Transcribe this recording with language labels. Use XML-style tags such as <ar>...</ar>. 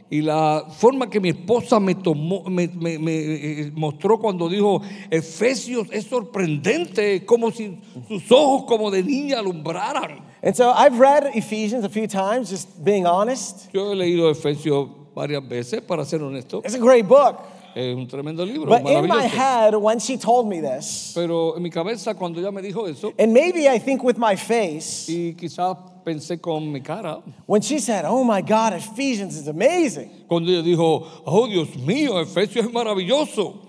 <es>Y la forma que mi esposa me tomó, me mostró cuando dijo, Efesios es sorprendente, como si sus ojos como de niña alumbraran.</es> <en>And so I've read Ephesians a few times, just being honest.</en> <es>Yo he leído Efesios varias veces, para ser honesto.</es> <en>It's a great book.</en> <es>Es un tremendo libro,</es> <en>but in my head, when she told me this,</en> <es>pero en mi cabeza, cuando ella me dijo eso,</es> <en>and maybe I think with my face,</en> <es>y quizás pensé con mi cara,</es> <en>when she said, oh my God, Ephesians is amazing.</en> <es>Cuando ella dijo, oh Dios mío, Efesios es maravilloso.</es>